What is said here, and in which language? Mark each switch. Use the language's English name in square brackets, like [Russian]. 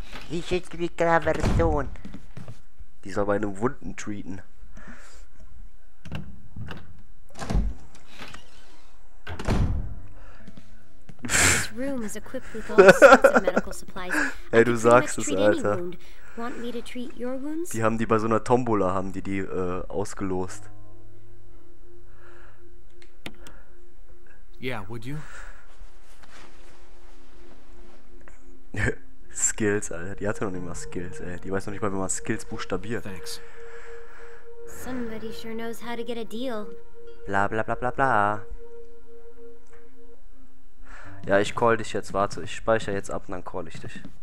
[German] Die schickt mich gerade wieder weg. Die soll meine Wunden treaten. [English] Room is equipped with all sorts of medical supplies. [German] Hey, du sagst es, Alter. [English] Want me to treat your wounds? [German] Die haben die bei so einer Tombola, haben die die ausgelost. [English] Yeah, would you? [German] Skills, Alter. Die hatte noch nicht mal Skills, ey. Die weiß noch nicht mal, wie man Skills buchstabiert. [English] Thanks. Somebody sure knows how to get a deal. Bla bla bla bla bla. [German] Ja, ich call dich jetzt, warte, ich speichere jetzt ab und dann call ich dich.